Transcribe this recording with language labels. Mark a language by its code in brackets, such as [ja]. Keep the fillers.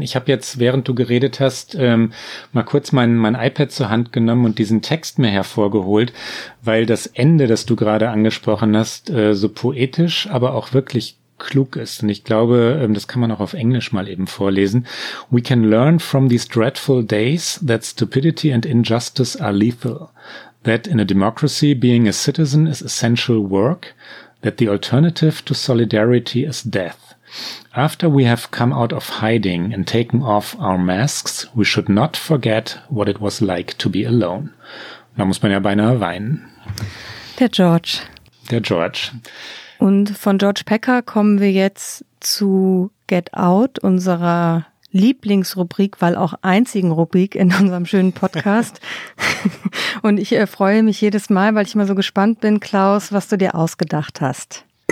[de] Ich habe jetzt, während du geredet hast, ähm, mal kurz mein, mein iPad zur Hand genommen und diesen Text mir hervorgeholt, weil das Ende, das du gerade angesprochen hast, äh, so poetisch, aber auch wirklich klug ist. Und ich glaube, das kann man auch auf Englisch mal eben vorlesen. [en] We can learn from these dreadful days that stupidity and injustice are lethal. That in a democracy being a citizen is essential work. That the alternative to solidarity is death. After we have come out of hiding and taken off our masks, we should not forget what it was like to be alone. [de] Da muss man ja beinahe weinen. Der George. Der George. Und von George Packer kommen wir jetzt zu Get Out, unserer Lieblingsrubrik, weil auch einzigen Rubrik in unserem schönen Podcast. Und ich freue mich jedes Mal, weil ich immer so gespannt bin, Klaus, was du dir ausgedacht hast.